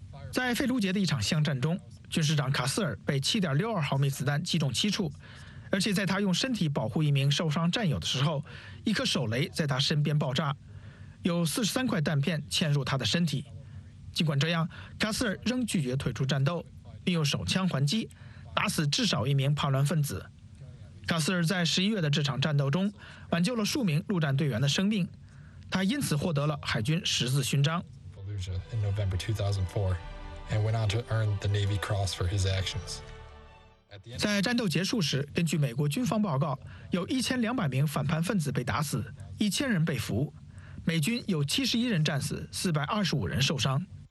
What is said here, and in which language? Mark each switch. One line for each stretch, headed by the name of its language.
Chinese: 在费卢杰的一场巷战中，军事长卡斯尔被 7.62 毫米子弹击中七处，而且在他用身体保护一名受伤战友的时候，一颗手雷在他身边爆炸，有43块弹片嵌入他的身体。尽管这样，卡斯尔仍拒绝退出战斗，并用手枪还击，打死至少一名叛乱分子。卡斯尔在11月的这场战斗中挽救了数名陆战队员的生命，他因此获得了海军十字勋章。
English: In November 2004, and went on to earn the Navy Cross for his actions.
Chinese: 在战斗结束时，根据美国军方报告，有1200名反叛分子被打死，1000人被俘，美军有71人战死，425人受伤。